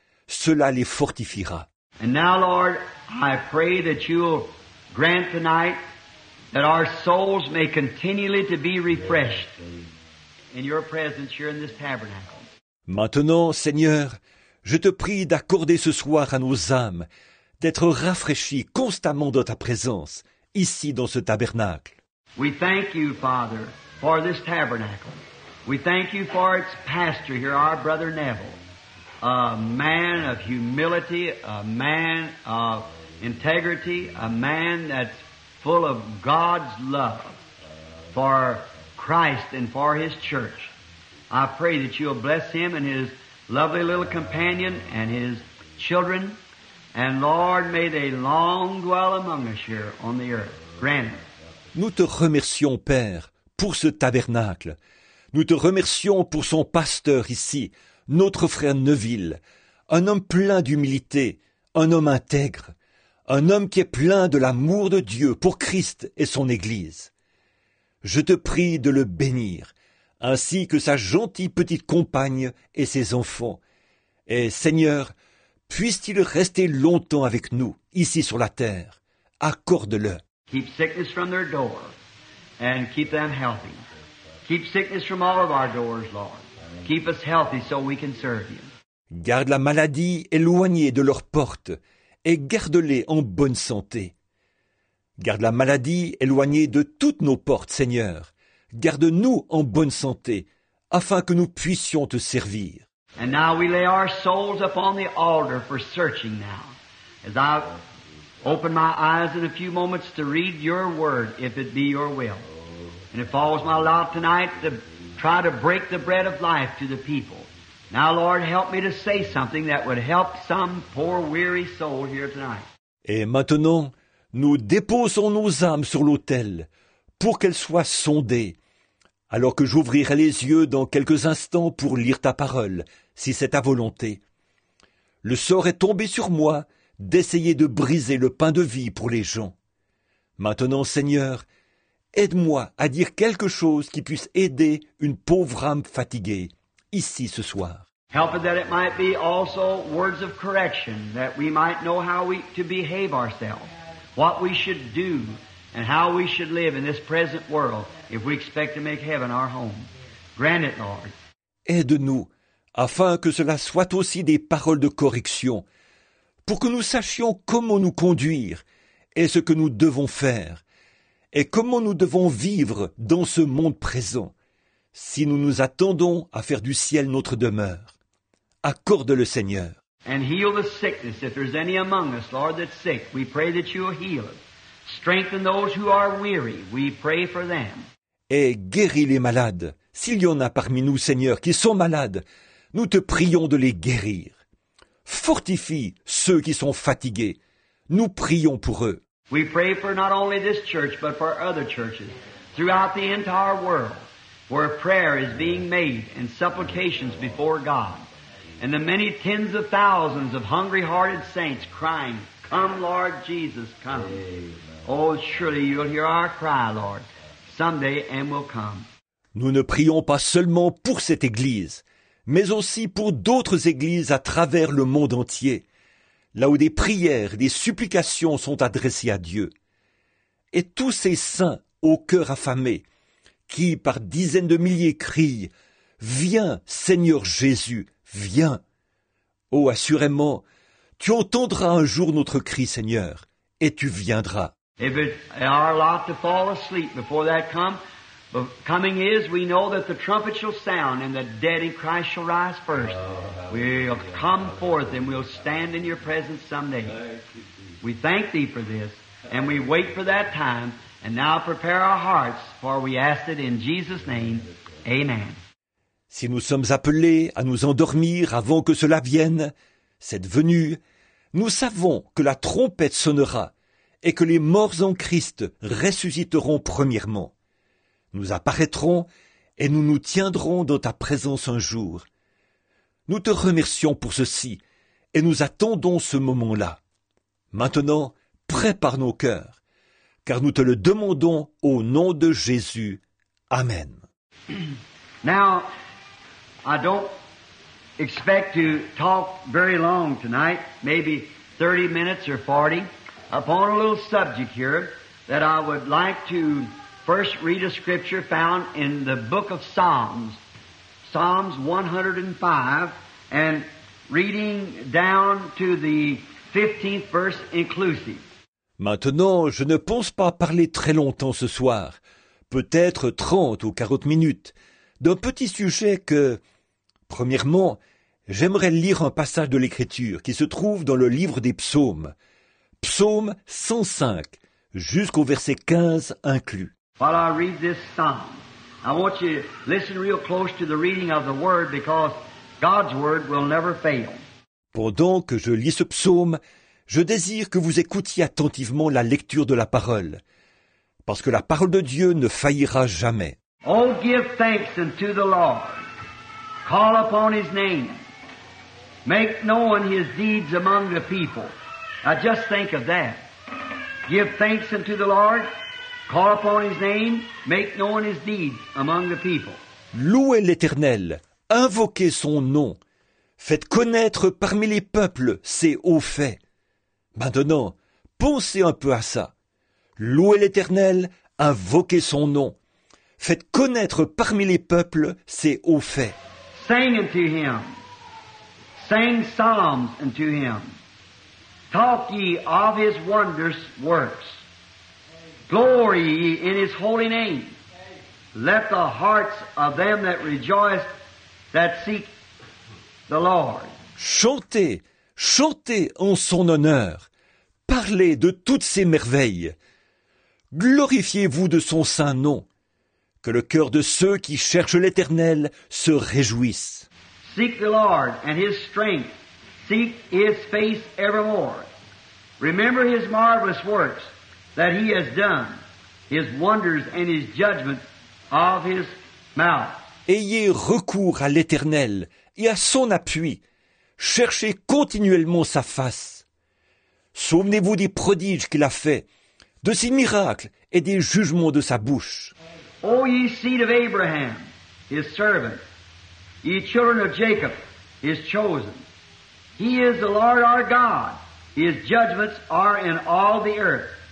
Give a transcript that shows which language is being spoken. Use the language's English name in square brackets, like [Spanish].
[French] Cela les fortifiera. [English] And now, Lord, I pray that You will grant tonight that our souls may continually to be refreshed in Your presence here in this tabernacle. [French] Maintenant, Seigneur, je te prie d'accorder ce soir à nos âmes d'être rafraîchies constamment dans Ta présence, ici dans ce tabernacle. [English] We thank You, Father, for this tabernacle. We thank You for its pastor here, our brother Neville, a man of humility, a man of integrity, a man that's full of God's love for Christ and for His church. I pray that You'll bless him and his lovely little companion and his children. And Lord, may they long dwell among us here on the earth. Grant it. [French] Nous te remercions, Père, pour ce tabernacle. Nous te remercions pour son pasteur ici, notre frère Neville, un homme plein d'humilité, un homme intègre, un homme qui est plein de l'amour de Dieu pour Christ et son Église. Je te prie de le bénir, ainsi que sa gentille petite compagne et ses enfants. Et Seigneur, puisse-t-il rester longtemps avec nous, ici sur la terre. Accorde-le. [English] Keep sickness from their door, and keep them healthy. Keep sickness from all of our doors, Lord. Keep us healthy so we can serve You. [French] Garde la maladie éloignée de leurs portes, et garde-les en bonne santé. Garde la maladie éloignée de toutes nos portes, Seigneur. Garde-nous en bonne santé, afin que nous puissions te servir. [English] And now we lay our souls upon the altar for searching now. As I open my eyes in a few moments to read Your word, if it be Your will. And it falls my lot tonight to try to break the bread of life to the people. Now, Lord, help me to say something that would help some poor, weary soul here tonight. [French] Et maintenant, nous déposons nos âmes sur l'autel, pour qu'elle soit sondée, alors que j'ouvrirai les yeux dans quelques instants pour lire ta parole, si c'est ta volonté. Le sort est tombé sur moi d'essayer de briser le pain de vie pour les gens. Maintenant, Seigneur, aide-moi à dire quelque chose qui puisse aider une pauvre âme fatiguée, ici ce soir. [English] Help it that it might be also words of correction, that we might know how we to behave ourselves, what we should do, and how we should live in this present world if we expect to make heaven our home. Grant it, Lord. [French] Aide-nous, afin que cela soit aussi des paroles de correction, pour que nous sachions comment nous conduire et ce que nous devons faire, et comment nous devons vivre dans ce monde présent, si nous nous attendons à faire du ciel notre demeure. Accorde-le, Seigneur. [English] And heal the sickness. If there's any among us, Lord, that's sick, we pray that You'll heal it. Strengthen those who are weary. We pray for them. [French] Et guéris les malades. S'il y en a parmi nous, Seigneur, qui sont malades, nous te prions de les guérir. Fortifie ceux qui sont fatigués. Nous prions pour eux. [English] We pray for not only this church, but for other churches throughout the entire world, where prayer is being made and supplications before God, and the many tens of thousands of hungry-hearted saints crying, "Come, Lord Jesus, come." Amen. Oh, surely You'll hear our cry, Lord, someday, and will come. [French] Nous ne prions pas seulement pour cette Église, mais aussi pour d'autres Églises à travers le monde entier, là où des prières, des supplications sont adressées à Dieu. Et tous ces saints au cœur affamé, qui par dizaines de milliers crient, Viens, Seigneur Jésus, viens. Oh, assurément, tu entendras un jour notre cri, Seigneur, et tu viendras. [English] If it's our lot to fall asleep before that come, but coming is, we know that the trumpet shall sound and the dead in Christ shall rise first. We'll come forth and we'll stand in your presence someday. We thank thee for this, and we wait for that time, and now prepare our hearts, for we ask it in Jesus' name. Amen. [French] Si nous sommes appelés à nous endormir avant que cela vienne, cette venue, nous savons que la trompette sonnera et que les morts en Christ ressusciteront premièrement. Nous apparaîtrons et nous nous tiendrons dans ta présence un jour. Nous te remercions pour ceci et nous attendons ce moment-là. Maintenant, prépare nos cœurs, car nous te le demandons au nom de Jésus. Amen. [English] Now, I don't expect to talk very long tonight, maybe 30 minutes or 40, upon a little subject here that I would like to first read a scripture found in the book of Psalms, Psalms 105, and reading down to the 15th verse inclusive. [French] Maintenant, je ne pense pas parler très longtemps ce soir, peut-être 30 ou 40 minutes, d'un petit sujet que... Premièrement, j'aimerais lire un passage de l'Écriture qui se trouve dans le livre des psaumes, psaume 105, jusqu'au verset 15 inclus. [English] While I read this psalm, I want you to listen real close to the reading of the Word because God's Word will never fail. [French] Pendant que je lis ce psaume, je désire que vous écoutiez attentivement la lecture de la parole, parce que la parole de Dieu ne faillira jamais. [English] Oh, give thanks unto the Lord. Call upon his name. Make known his deeds among the people. Now just think of that. Give thanks unto the Lord. Call upon his name. Make known his deeds among the people. [French] Louez l'Éternel. Invoquez son nom. Faites connaître parmi les peuples ses hauts faits. Maintenant, pensez un peu à ça. Louez l'Éternel. Invoquez son nom. Faites connaître parmi les peuples ses hauts faits. [English] Sing unto him, sing psalms unto him, talk ye of his wondrous works, glory ye in his holy name. Let the hearts of them that rejoice, that seek the Lord. [French] Chantez, chantez en son honneur, parlez de toutes ses merveilles, glorifiez-vous de son saint nom. Que le cœur de ceux qui cherchent l'Éternel se réjouisse. [English] Seek the Lord and his strength. Seek his face evermore. Remember his marvelous works that he has done, his wonders and his judgment of his mouth. [French] Ayez recours à l'Éternel et à son appui. Cherchez continuellement sa face. Souvenez-vous des prodiges qu'il a faits, de ses miracles et des jugements de sa bouche. [English] O ye seed of Abraham, his servant, ye children of Jacob, his chosen, he is the Lord our God, his judgments are in all the earth.